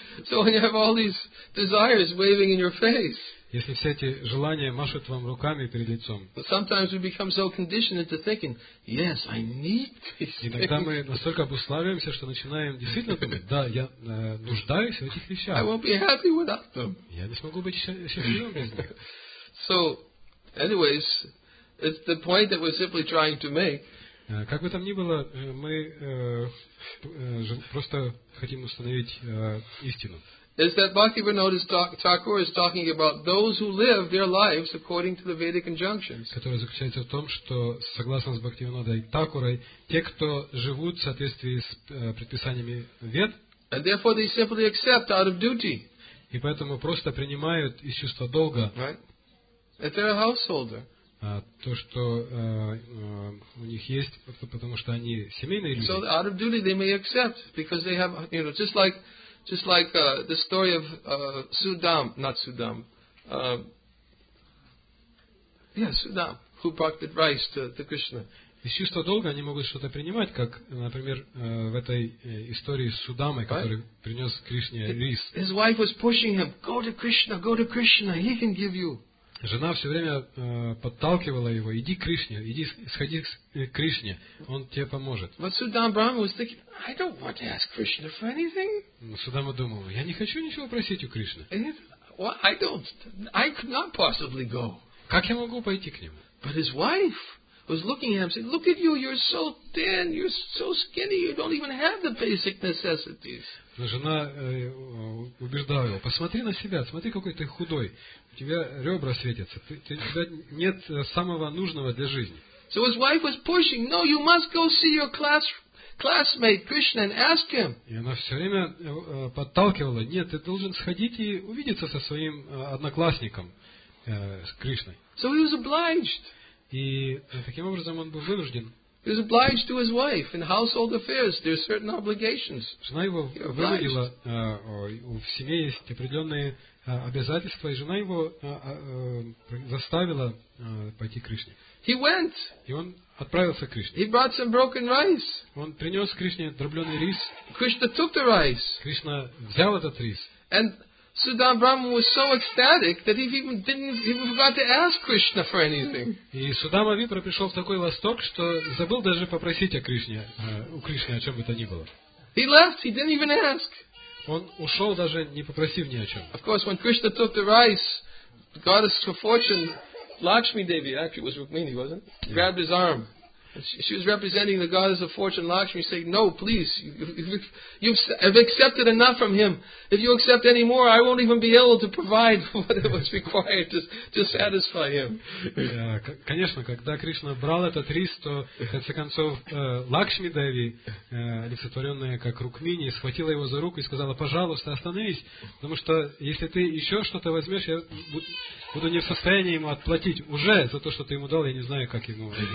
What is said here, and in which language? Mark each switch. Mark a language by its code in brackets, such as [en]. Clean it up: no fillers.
[en] So when you have all these desires waving in your face. [ru] Если все эти желания машут вам руками перед лицом. [en] Sometimes we become so conditioned into thinking, yes, I need this. [ru] Иногда мы настолько обуславливаемся, что начинаем действительно думать, да, я нуждаюсь в этих вещах. [en] I won't be happy without them. [ru] Я не смогу быть счастливым без них. [en] So, anyways, it's the point that we're simply trying to make. [ru] Как бы там ни было, мы просто хотим установить истину. [en] Is that Bhaktivinoda Thakur is talking about those who live their lives according to the Vedic injunctions. [ru] Которое заключается в том, что согласно с Бхактивинодой Такурой, те, кто живут в соответствии с предписаниями Вед, [en] and therefore they simply accept out of duty. [ru] И поэтому просто принимают из чувства долга. [en] Right? If they're a householder. [ru] То, что у них есть, потому что они семейные люди. [en] So out of duty they may accept because they have, you know, just like the story of Sudam, who brought the rice to Krishna. [ru] Из чувства долга они могут что-то принимать, как, например, в этой истории с Судамой, который принес Кришне рис. [en] His wife was pushing him, go to Krishna, go to Krishna, he can give you. [ru] Жена все время подталкивала его, иди к Кришне, иди, сходи к Кришне, он тебе поможет. [en] But Sudama Brahma was thinking, I don't want to ask Krishna for anything. [ru] Судама думал, я не хочу ничего просить у Кришны. [en] I could not possibly go. [ru] Как я могу пойти к нему? [en] But his wife was looking at him, saying, look at you, you're so thin, you're so skinny, you don't even have the basic necessities. [ru] Но жена убеждала его, посмотри на себя, смотри, какой ты худой. У тебя ребра светятся. У тебя нет самого нужного для жизни. [en] So his wife was pushing. No, you must go see your classmate Krishna and ask him. [ru] И она все время подталкивала. Нет, ты должен сходить и увидеться со своим одноклассником, с Кришной. [en] So he was obliged. [ru] И таким образом он был вынужден. [en] He was obliged to his wife in household affairs. There are certain obligations. [ru] Жена его вынудила. В семье есть определенные обязательства, и жена его заставила пойти к Кришне. [en] He went. [ru] И он отправился к Кришне. [en] He brought some broken rice. [ru] Он принес Кришне дробленый рис. [en] Krishna took the rice. [ru] Кришна взял этот рис. [en] And Sudama Brahma was so ecstatic that he even forgot to ask Krishna for anything. [ru] И Судама Випра пришел в такой восторг, что забыл даже попросить о Кришне, у Кришны о чем бы то ни было. [en] He left. He didn't even ask. [ru] Он ушел, даже не попросив ни о чем. [en] Of course, when Krishna took the rice, goddess of fortune, Lakshmi Devi, actually it was Rukmini, wasn't it? Yeah. Grabbed his arm. She was representing the goddess of fortune, Lakshmi, saying, no, please, you've accepted enough from him. If you accept any more, I won't even be able to provide what it was required to satisfy him. [ru] Конечно, когда Кришна брал этот рис, то, в конце концов, Лакшми Деви, олицетворенная как Рукмини, схватила его за руку и сказала, пожалуйста, остановись, потому что если ты еще что-то возьмешь, я буду не в состоянии ему отплатить уже за то, что ты ему дал, я не знаю, как ему...